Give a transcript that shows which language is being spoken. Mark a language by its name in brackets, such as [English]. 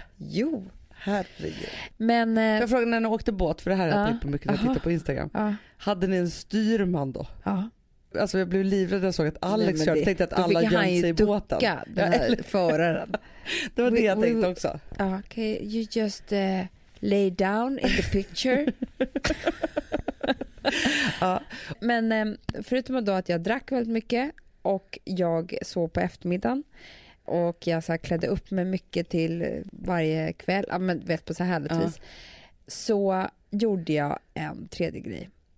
[Swedish] Jo. Men, jag frågade när ni åkte båt, för det här har jag tittat mycket när jag tittar på Instagram. Hade ni en styrman då? Ja. Alltså jag blev livrädd när jag såg att Alex körde. Tänkte att alla gömde sig i båten. Då fick han ju ducka, den här föraren. Det var det jag tänkte också. [English] Okay, you just lay down in the picture. [Swedish] Men förutom då att jag drack väldigt mycket och jag sov på eftermiddagen. Och jag så klädde upp mig mycket till varje kväll. Ja, men vet på så härligt vis. Så gjorde jag en tredje grej.